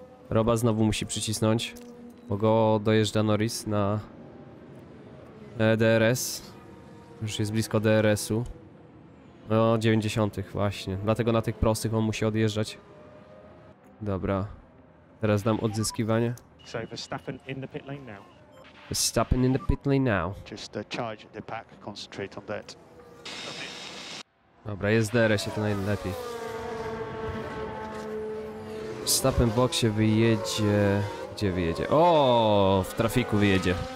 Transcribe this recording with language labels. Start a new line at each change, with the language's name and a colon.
Polish: Roba znowu musi przycisnąć, bo go dojeżdża Norris na DRS. Już jest blisko DRS-u. No, 90 właśnie. Dlatego na tych prostych on musi odjeżdżać. Dobra. Teraz dam odzyskiwanie.
English: So Verstappen in the pit lane now. Stopping in the pit lane now. Just charge the pack, concentrate on that.
Polish: Dobra, jest DRS, to najlepiej.
English: Stopping
Polish: w boksie wyjedzie. Gdzie wyjedzie? O, w trafiku wyjedzie.